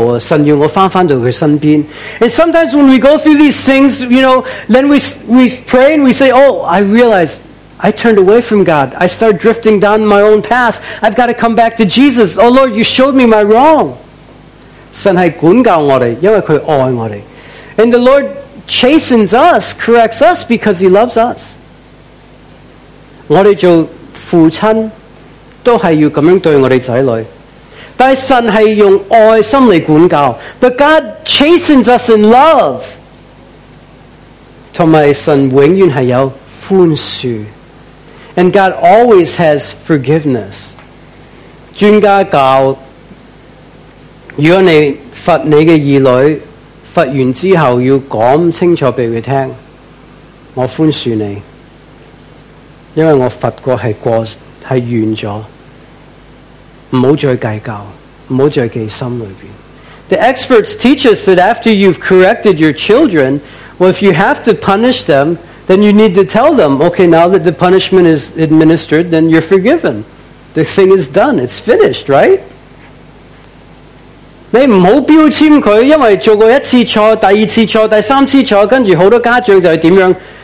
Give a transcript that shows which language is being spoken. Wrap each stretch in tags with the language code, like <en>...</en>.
<zh>跟着这些事发生的时候,你反省祈祷,原来我忘记了神,原来我在走自己的路,神要我回到祂身边。</zh> <en>And sometimes when we go through these things, you know, then we pray and we say, oh, I realize I turned away from God. I start drifting down my own path. I've got to come back to Jesus. Oh Lord, you showed me my wrong.</en> <zh>神是管教我们,因为祂爱我们。</zh> <en>And the Lord chastens us, corrects us because He loves us.</en> <zh>我们做父亲都是要这样对我们的子女。但是神是用爱心来管教,</zh> <en>but God chastens us in love.</en> <zh>而且神永远是有宽恕,</zh> <en>And God always has forgiveness.</en> <zh>專家教如果你罰你的兒女罰完之後要講清楚給他聽，我寬恕你，因為我罰過是過是完了，不要再計較，不要再記心裡面。</zh> <en>The experts teach us that after you've corrected your children, well, if you have to punish them, then you need to tell them, okay, now that the punishment is administered, then you're forgiven. The thing is done, it's finished, right?</en> <zh>你不要標籤他，因為做過一次錯、第二次錯、第三次錯，跟住好多家長就係點樣？</zh>